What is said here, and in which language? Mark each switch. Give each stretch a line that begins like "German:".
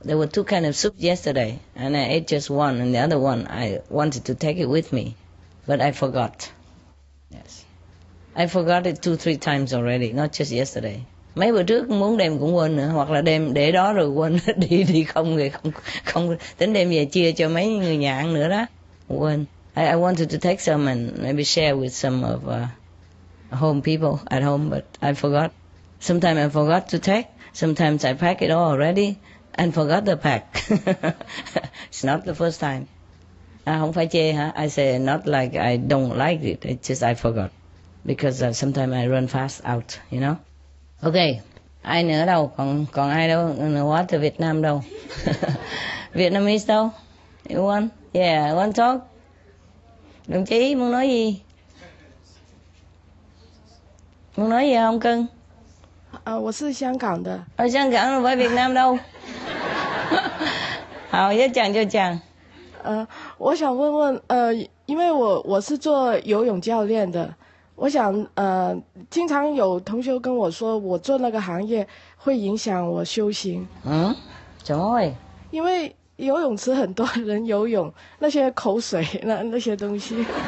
English: There were two kinds of soup yesterday, and I ate just one, and the other one, I wanted to take it with me, but I forgot. Yes. I forgot it 2-3 times already, not just yesterday.
Vietnamese: Mấy bữa trước muốn đem cũng quên nữa, hoặc là đem để đó rồi quên, đi không người không tính đem về chia cho mấy người nhà ăn nữa đó, quên.
English: I wanted to take some and maybe share with some of home people at home, but I forgot. Sometimes I forgot to take, sometimes I pack it all already and forgot the pack. It's not the first time.
Vietnamese: À, không phải chê hả?
English: I say not like I don't like it, it's just I forgot. Because sometimes I run fast out, you know?
Vietnamese: Okay, ai nữa đâu? Còn ai đâu?
English: What to
Vietnamese: Việt Nam đâu? Vietnamese đâu?
English: You want? Yeah, you want to talk?
Vietnamese: Đồng chí muốn nói gì? Muốn nói gì không cưng?
Chinese: À, 我是香港的.
Vietnamese: Ở Hồng Kông không phải Việt Nam đâu. Hào, giới chàng cho chàng.
Chinese: À, 我想问问, 因为我是做游泳教练的. 我想, 经常有同学跟我说我做那个行业会影响我修行。嗯?怎么会? 因为 游泳池很多人游泳, 那些口水, 那些东西。